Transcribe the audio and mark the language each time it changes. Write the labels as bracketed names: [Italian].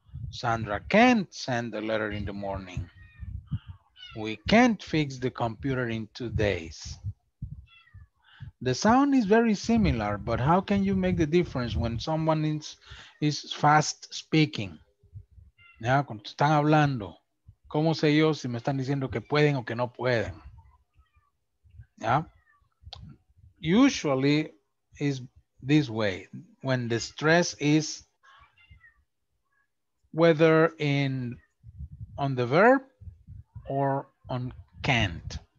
[English] Sandra can't send the letter in the morning. We can't fix the computer in 2 days. The sound is very similar, but how can you make the difference when someone is fast speaking? [Spanish] Ya, cuando están hablando, ¿cómo sé yo si me están diciendo que pueden o que no pueden? Ya. [English] Usually is this way, when the stress is whether on the verb or on can't.